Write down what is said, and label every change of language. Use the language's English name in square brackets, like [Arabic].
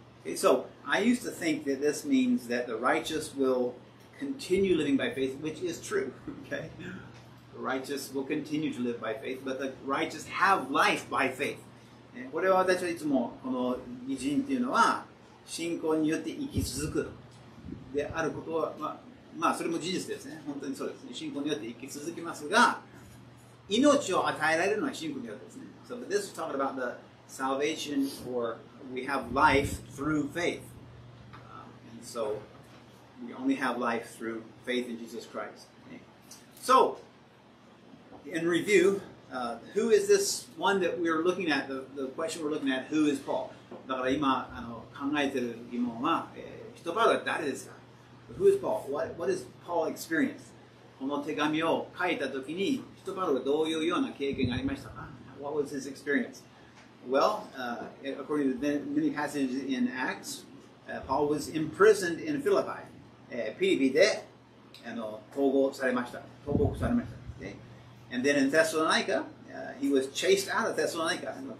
[English] Okay, so, I used to think that this means that the righteous will continue living by faith, which is true, okay? The righteous will continue to live by faith, but the righteous have life by faith. [Japanese] これは私はいつもこの偉人というのは信仰によって生き続くであることは、まあそれも事実ですね。本当にそうですね。信仰によって生き続きますが、命を与えられるのは信仰によってですね。 [English] So, but this is talking about theSalvation, or we have life through faith. And so, we only have life through faith in Jesus Christ. Okay. So, in review, who is this one that we are looking at, the question we're looking at, who is Paul? [Japanese] だから今考えてる疑問は、人パウロは誰ですか? [English] But who is Paul? What is Paul experienced? [Japanese] この手紙を書いた時に、人パウロはどういうような経験がありましたか? [English] What was his experience? Well, according to many passages in Acts, Paul was imprisoned in Philippi. [Japanese] ピリピで投獄されました。投獄されました。Okay? [English] And then in Thessalonica, he was chased out of Thessalonica.